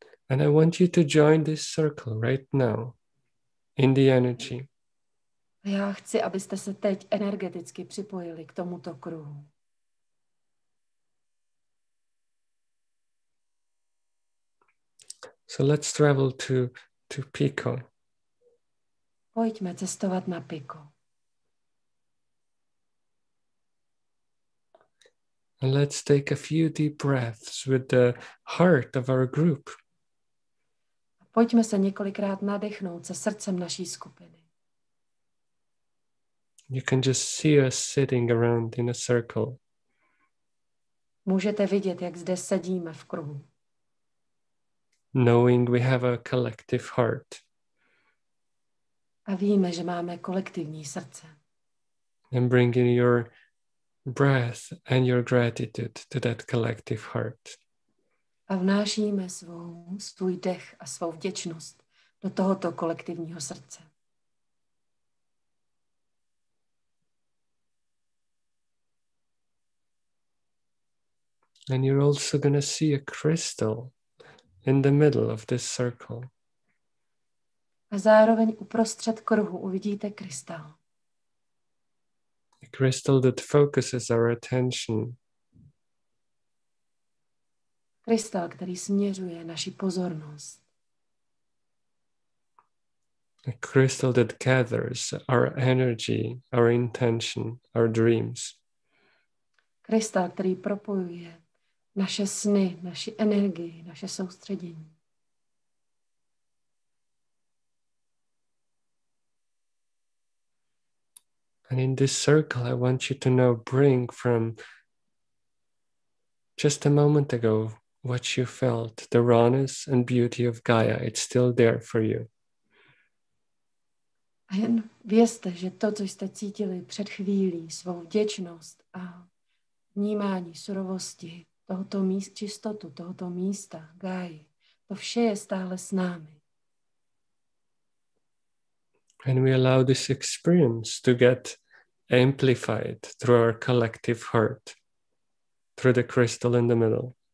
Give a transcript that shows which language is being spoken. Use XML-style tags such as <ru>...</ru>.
<en>And I want you to join this circle right now in the energy.</en> <cs>Já chci, abyste se teď energeticky připojili k tomuto kruhu.</cs> <en>So let's travel to Pico.</en> <cs>Pojďme cestovat na Pico.</cs> <en>And let's take a few deep breaths with the heart of our group.</en> <cs>Pojďme se několikrát nadechnout se srdcem naší skupiny.</cs> <en>You can just see us sitting around in a circle.</en> <cs>Můžete vidět, jak zde sedíme v kruhu.</cs> <en>Knowing we have a collective heart.</en> <cs>A víme, že máme kolektivní srdce.</cs> <en>And bringing your breath and your gratitude to that collective heart.</en> <cs>A vnášíme svůj dech a svou vděčnost do tohoto kolektivního srdce.</cs> <en>And you're also going to see a crystal in the middle of this circle.</en> <cs>A zároveň uprostřed kruhu uvidíte krystal.</cs> <en>A crystal that focuses our attention.</en> <cs>Krystal, který směřuje naši pozornost.</cs> <en>A crystal that gathers our energy, our intention, our dreams.</en> <cs>Krystal, který propojuje naše sny, naši energii, naše soustředění.</cs> <en>And in this circle, I want you to now bring from just a moment ago what you felt, the rawness and beauty of Gaia. It's still there for you.</en> <cs>A jen vězte, že to, co jste cítili před chvílí, svou vděčnost a vnímání surovosti tohoto míst, čistotu tohoto místa, Gaia, to vše je stále s námi.</cs> <en>And we allow this experience to get amplified through our collective heart, through the crystal in the middle.</en>